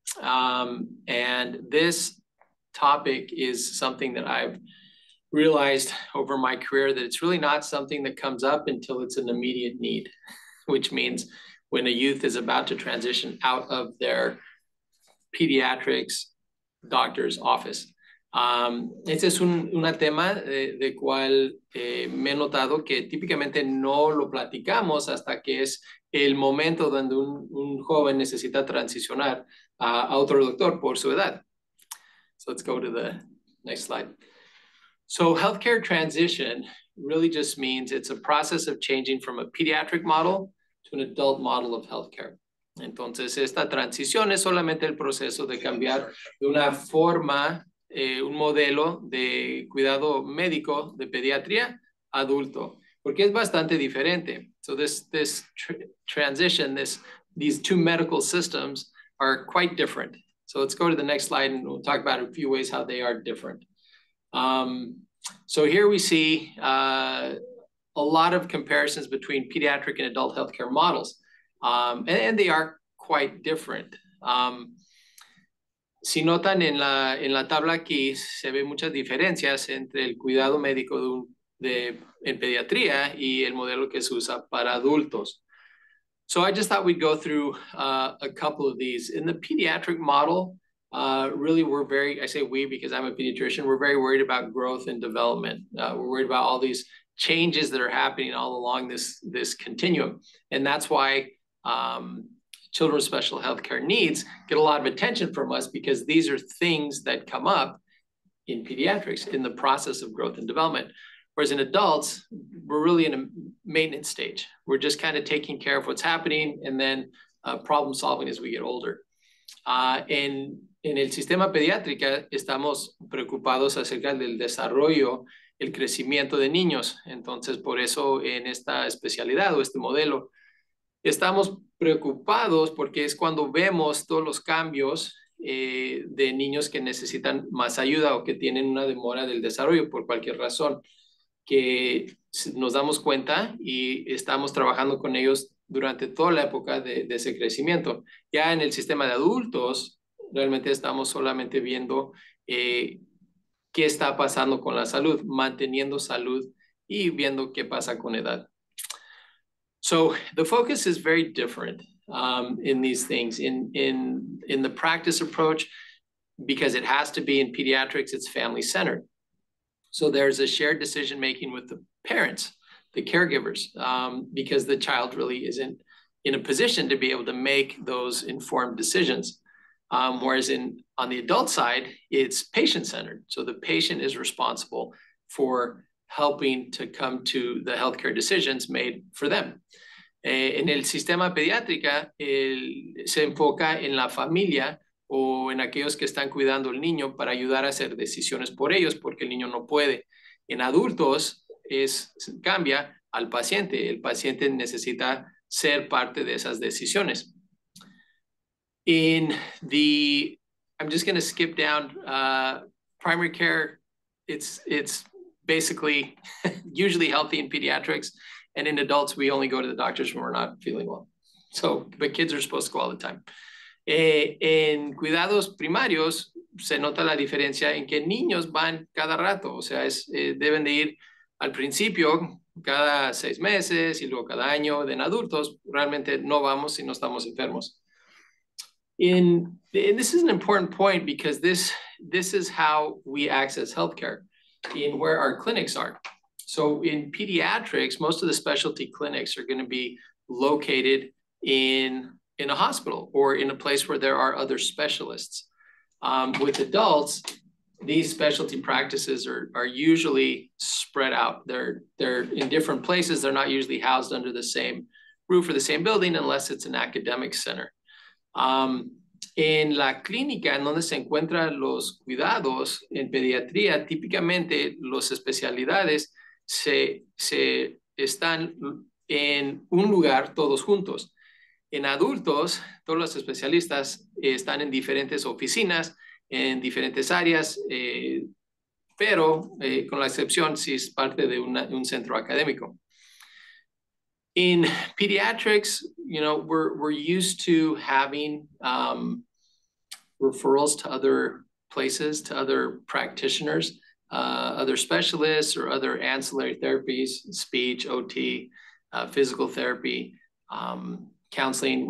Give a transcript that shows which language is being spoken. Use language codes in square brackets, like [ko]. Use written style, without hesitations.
[en] And this topic is something that I've realized over my career that it's really not something that comes up until it's an immediate need, which means when a youth is about to transition out of their pediatrics doctor's office. [es] Este es un tema de cual me he notado que típicamente no lo platicamos hasta que es el momento donde un joven necesita transicionar a otro doctor por su edad. [en] So let's go to the next slide. So healthcare transition really just means it's a process of changing from a pediatric model to an adult model of healthcare. [es] Entonces esta transición es solamente el proceso de cambiar de una forma un modelo de cuidado médico de pediatría adulto, porque es bastante diferente. [en] So these two medical systems are quite different. So let's go to the next slide and we'll talk about a few ways how they are different. So here we see a lot of comparisons between pediatric and adult healthcare models, and they are quite different. [es] Si notan en la tabla aquí, se ven muchas diferencias entre el cuidado médico en pediatría y el modelo que se usa para adultos. [en] So I just thought we'd go through a couple of these. In the pediatric model, really we're very, I say we because I'm a pediatrician, we're very worried about growth and development. We're worried about all these changes that are happening all along this continuum. And that's why children with special health care needs get a lot of attention from us, because these are things that come up in pediatrics in the process of growth and development. Whereas in adults, we're really in a maintenance stage. We're just kind of taking care of what's happening and then problem solving as we get older. [es] En el sistema pediátrica, estamos preocupados acerca del desarrollo, el crecimiento de niños. Entonces, por eso en esta especialidad o este modelo, estamos preocupados porque es cuando vemos todos los cambios de niños que necesitan más ayuda o que tienen una demora del desarrollo por cualquier razón, que nos damos cuenta y estamos trabajando con ellos durante toda la época de ese crecimiento. Ya en el sistema de adultos, realmente estamos solamente viendo qué está pasando con la salud, manteniendo salud y viendo qué pasa con edad. [en] So the focus is very different in these things. In the practice approach, because it has to be in pediatrics, it's family-centered. So there's a shared decision-making with the parents, the caregivers, because the child really isn't in a position to be able to make those informed decisions. Whereas on the adult side, it's patient-centered. So the patient is responsible for helping to come to the healthcare decisions made for them. [es] En el sistema pediátrica, se enfoca en la familia o en aquellos que están cuidando el niño para ayudar a hacer decisiones por ellos porque el niño no puede. En adultos, cambia al paciente. El paciente necesita ser parte de esas decisiones. [en] I'm just going to skip down, primary care, it's basically usually healthy in pediatrics. And in adults, we only go to the doctors when we're not feeling well. So, but kids are supposed to go all the time. [es] En cuidados primarios, se nota la diferencia en que niños van cada rato. O sea, deben de ir al principio cada 6 meses y luego cada año. En adultos, realmente no vamos si no estamos enfermos. [en] And this is an important point because this is how we access healthcare in where our clinics are. So in pediatrics, most of the specialty clinics are going to be located in a hospital or in a place where there are other specialists. With adults, these specialty practices are usually spread out. They're in different places. They're not usually housed under the same roof or the same building unless it's an academic center. [es] En la clínica en donde se encuentran los cuidados en pediatría, típicamente las especialidades se están en un lugar todos juntos. En adultos, todos los especialistas están en diferentes oficinas, en diferentes áreas, pero con la excepción si es parte de un centro académico. [en] In pediatrics, you know, we're used to having referrals to other places, to other practitioners, other specialists or other ancillary therapies, speech, OT, physical therapy, counseling.